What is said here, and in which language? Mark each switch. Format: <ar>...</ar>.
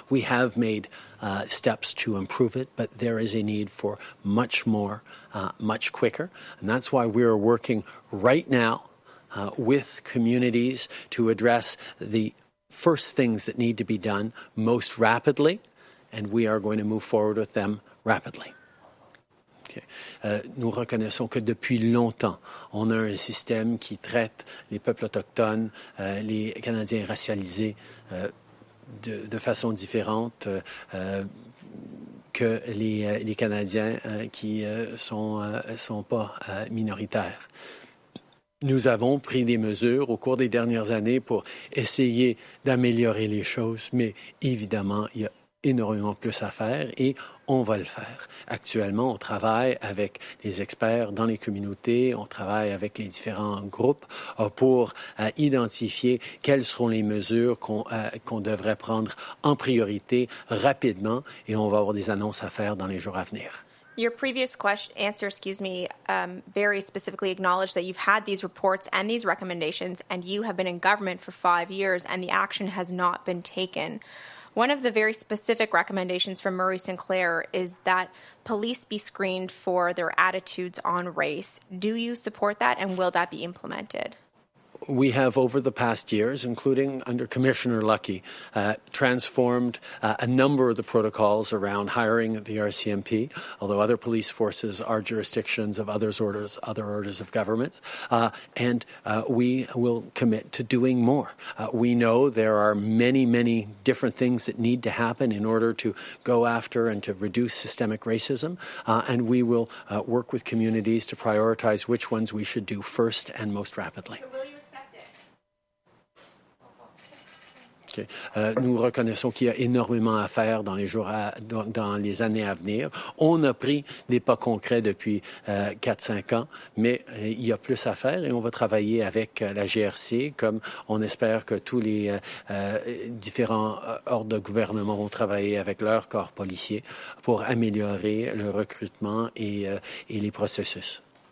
<en>We have made steps to improve it, but there is a need for much more, much quicker. And that's why we are working right now with communities to address the first things that need to be done most rapidly, and we are going to move forward with them rapidly.</en> <fr>Nous reconnaissons que depuis longtemps, on a un système qui traite les peuples autochtones, les Canadiens racialisés, de façon différente que les Canadiens qui ne sont pas minoritaires. Nous avons pris des mesures au cours des dernières années pour essayer d'améliorer les choses, mais évidemment, il y a énormément plus à faire et on va le faire. Actuellement, on travaille avec les experts dans les communautés, on travaille avec les différents groupes pour identifier quelles seront les mesures qu'on devrait prendre en priorité rapidement et on va avoir des annonces à faire dans les jours à venir.</fr> <en>Your previous answer, very specifically acknowledged that you've had these reports and these recommendations and you have been in government for 5 years and the action has not been taken. One of the very specific recommendations from Murray Sinclair is that police be screened for their attitudes on race. Do you support that and will that be implemented? We have, over the past years, including under Commissioner Lucky, transformed a number of the protocols around hiring the RCMP, although other police forces are jurisdictions of other orders of government. We will commit to doing more. We know there are many, many different things that need to happen in order to go after and to reduce systemic racism, and we will work with communities to prioritize which ones we should do first and most rapidly. Okay.</en> <fr>Nous reconnaissons qu'il y a énormément à faire dans les années à venir. On a pris des pas concrets depuis 4-5 ans, mais il y a plus à faire et on va travailler avec la GRC, comme on espère que tous les différents ordres de gouvernement vont travailler avec leur corps policier pour améliorer le recrutement et les processus.</fr>